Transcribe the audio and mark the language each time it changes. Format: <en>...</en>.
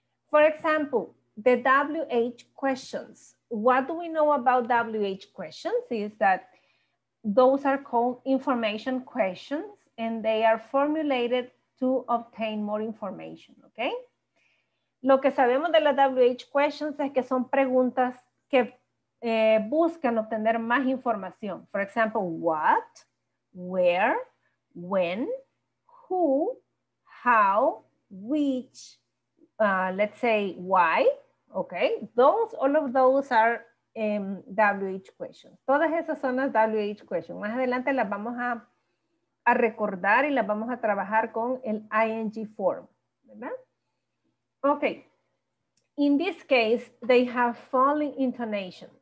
<en>For example, the WH questions. What do we know about WH questions is that those are called information questions and they are formulated to obtain more information, okay?</en> <es>Lo que sabemos de las WH questions es que son preguntas que buscan obtener más información.</es> <en>For example, what, where, when, who, how, which, let's say why, okay? Those, all of those are WH questions.</en> <es>Todas esas son las WH questions. Más adelante las vamos a recordar y las vamos a trabajar con el ING form, ¿verdad?</es> <en>Okay, in this case, they have falling intonation.</en>